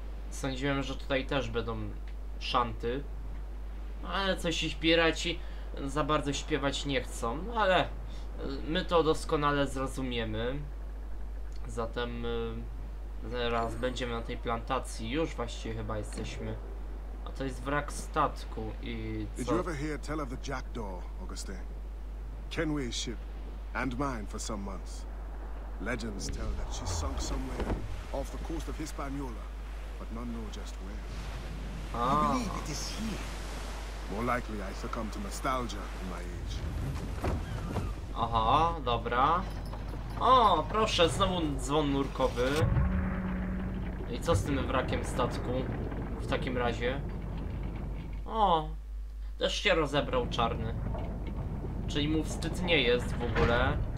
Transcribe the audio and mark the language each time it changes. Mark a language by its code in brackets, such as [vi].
[pl] Sądziłem, że tutaj też będą szanty. Ale coś ich piraci za bardzo śpiewać nie chcą. Ale my to doskonale zrozumiemy. Zatem zaraz będziemy na tej plantacji. Już właściwie chyba jesteśmy. To jest wrak statku i co? [en] Did you ever hear tell of the Jackdaw, Augustine? Kenway's ship, and mine for some months. Legends tell that she sunk somewhere off the coast of Hispaniola. but none know just where. You believe it is here? More likely I succumb to nostalgia in my age. [pl] Aha, dobra. O, proszę, znowu dzwon nurkowy. I co z tym wrakiem statku? W takim razie. O, też się rozebrał czarny. Czyli mu wstyd nie jest w ogóle.